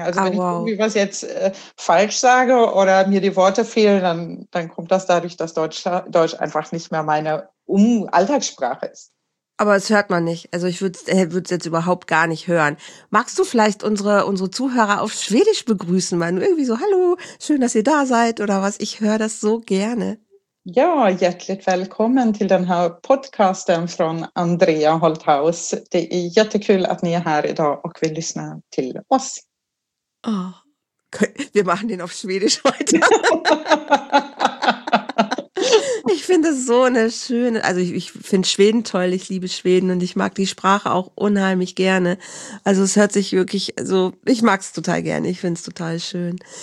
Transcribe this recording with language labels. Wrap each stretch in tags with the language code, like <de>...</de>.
<de>Also wenn ich irgendwie was jetzt falsch sage oder mir die Worte fehlen, dann kommt das dadurch, dass Deutsch einfach nicht mehr meine Alltagssprache ist. Aber es hört man nicht. Also ich würde es jetzt überhaupt gar nicht hören. Magst du vielleicht unsere Zuhörer auf Schwedisch begrüßen, mal irgendwie so, hallo, schön, dass ihr da seid oder was? Ich höre das so gerne.</de> <sv>Ja, hjärtligt välkommen till den här podcasten från Andrea Holthaus. Det är jättekul att ni är här idag och vill lyssna till oss.</sv> <de>Wir machen den auf Schwedisch heute. Ich finde es so eine schöne, also ich finde Schweden toll, ich liebe Schweden und ich mag die Sprache auch unheimlich gerne. Also es hört sich wirklich, also ich mag es total gerne, ich finde es total schön.</de>